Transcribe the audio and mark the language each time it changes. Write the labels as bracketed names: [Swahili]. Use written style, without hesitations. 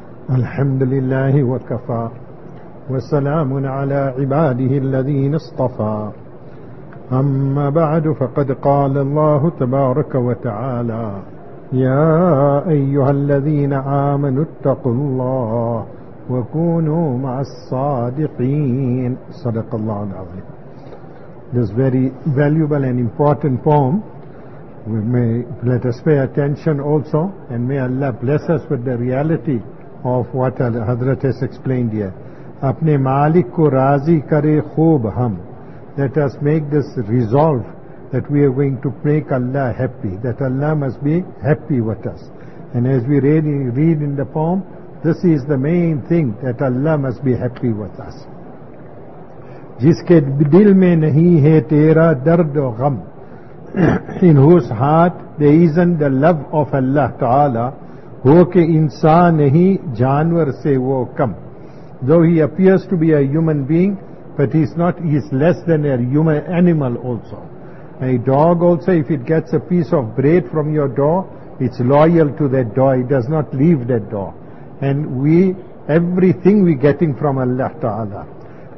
[Arabic] الحمد لله وكفى وسلام على عباده الذين اصطفى، أما بعد فقد قال الله تبارك وتعالى: يا أيها الذين آمنوا اتقوا الله وكونوا مع الصادقين. صدق الله العظيم. [English] This very valuable and important poem, we may let us pay attention also, and may Allah bless us with the reality of what Hazrat has explained here. [Urdu] اپنے مالک کو راضی کرے خوب ہم. [English] Let us make this resolve that we are going to make Allah happy, that Allah must be happy with us. And as we read in the poem, this is the main thing, that Allah must be happy with us. [Urdu] جس کے دل میں نہیں ہے تیرا درد و غم, [English] in whose heart there isn't the love of Allah Ta'ala, [Urdu] ہو کہ انسان نہیں جانور سے وہ کم. [English] Though he appears to be a human being, but he is less than a human animal also. A dog also, if it gets a piece of bread from your door, it's loyal to that door, it does not leave that door. And we, everything we getting from Allah Ta'ala.